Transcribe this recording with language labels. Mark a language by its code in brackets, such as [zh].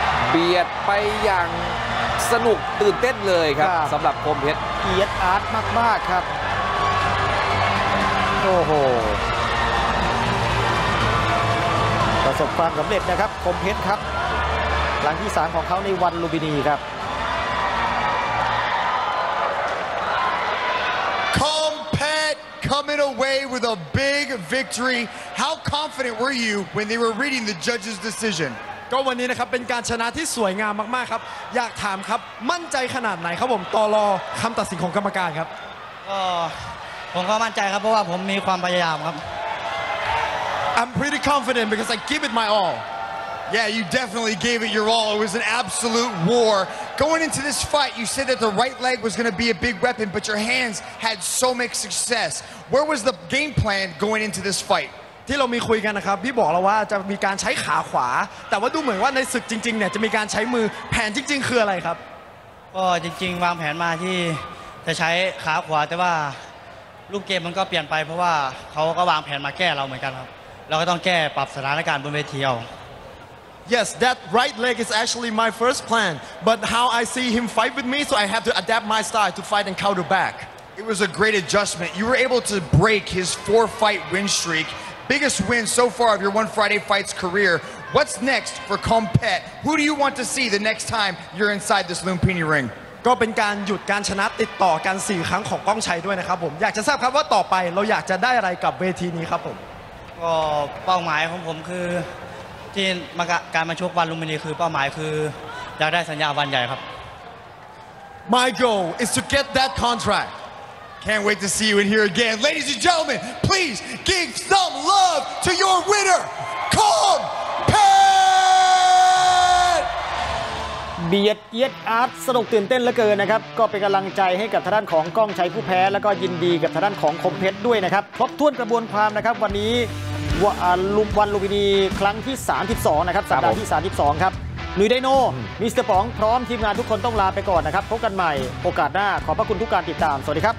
[th] เบียดไปอย่างสนุกตื่นเต้นเลยครับสำหรับคมเพชร เอียดอาร์ตมากมากครับโอ้โหประสบความสำเร็จนะครับคมเพชรครับครั้งที่3ของเขาในวันลุมพินีครับ [en] คมเพชร coming away with a big victory how confident were you when they were reading the judges decision [th] ก็วันนี้นะครับเป็นการชนะที่สวยงามมากๆครับอยากถามครับมั่นใจขนาดไหนครับผมต่อรอคำตัดสินของกรรมการครับ ผมก็มั่นใจครับเพราะว่าผมมีความพยายามครับ [en] I'm pretty confident because I give it my all Yeah you definitely gave it your all it was an absolute war going into this fight you said that the right leg was going to be a big weapon but your hands had so much success where was the game plan going into this fight [th] ที่เรามีคุยกันนะครับพี่บอกแล้วว่าจะมีการใช้ขาขวาแต่ว่าดูเหมือนว่าในศึกจริงๆเนี่ยจะมีการใช้มือแผนจริงๆคืออะไรครับ ก็จริงๆวางแผนมาที่จะใช้ขาขวาแต่ว่ารูปเกมมันก็เปลี่ยนไปเพราะว่าเขาก็วางแผนมาแก้เราเหมือนกันครับเราก็ต้องแก้ปรับสถานการณ์บนเวทีเอา [en] Yes that right leg is actually my first plan but how I see him fight with me so I have to adapt my style to fight and counter back it was a great adjustment you were able to break his 4 fight win streakBiggest win so far of your One Friday Fights career. What's next for Kom Pet? Who do you want to see the next time you're inside this Lumpini ring? [th] ก็เป็นการหยุดการชนะติดต่อกัน4ครั้งของก้องชัยด้วยนะครับผมอยากจะทราบครับว่าต่อไปเราอยากจะได้อะไรกับเวทีนี้ครับผม ก็เป้าหมายของผมคือที่มาการมาชกวันลุมพินีคือเป้าหมายคืออยากได้สัญญาวันใหญ่ครับ [en] My goal is to get that contract. Can't wait to see you in here again. Ladies and gentlemen, please give some love to your winner, Kom Pet! [th] เบียดเอียดอาร์ตสนุกตื่นเต้นเหลือเกินนะครับก็เป็นกำลังใจให้กับทางด้านของก้องชัยผู้แพ้แล้วก็ยินดีกับทางด้านของคมเพชรด้วยนะครับครบถ้วนกระบวนความนะครับวันนี้วันลุมพินีครั้งที่32นะครับสัปดาห์ที่32ครับลุยไดโน่มิสเตอร์ป๋องพร้อมทีมงานทุกคนต้องลาไปก่อนนะครับพบกันใหม่โอกาสหน้าขอบพระคุณทุกการติดตามสวัสดีครับ